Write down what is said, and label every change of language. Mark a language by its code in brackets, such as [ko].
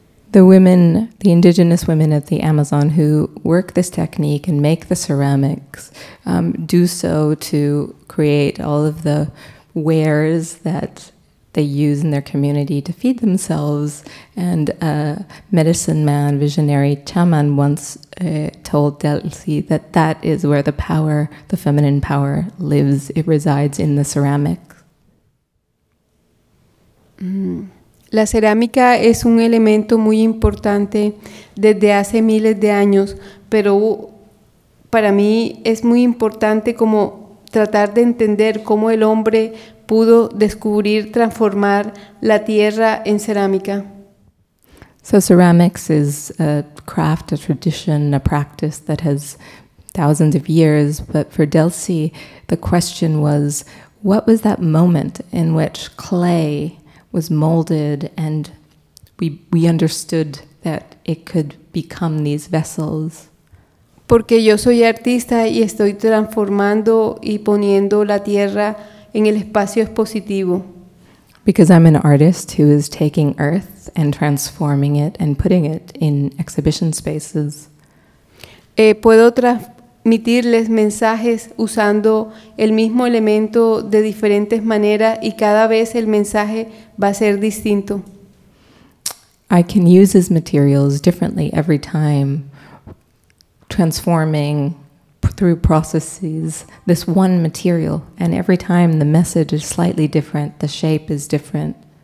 [en] The women, the indigenous women of the Amazon who work this technique and make the ceramics, do so to create all of the wares that they use in their community to feed themselves. And a medicine man, visionary chaman, once told Delcy that that is where the power, the feminine power, lives. It resides in the ceramics. Mm. [es] La cerámica es un elemento muy importante desde hace miles de años, pero para mí es muy importante como tratar de entender cómo el hombre pudo descubrir transformar la tierra en cerámica. [en] So ceramics is a craft, a tradition, a practice that has thousands of years, but for Delcy, the question was, what was that moment in which clay was molded and we understood that it could become these vessels. [es] Porque yo soy artista y estoy transformando y poniendo la tierra en el espacio expositivo. [en] Because I'm an artist who is taking earth and transforming it and putting it in exhibition spaces. [es] Puedo transmitirles mensajes usando el mismo elemento de diferentes maneras y cada vez el mensaje va a ser distinto. [en] I can use these materials differently every time, transforming through processes this one material, and every time the message is slightly different, the shape is different.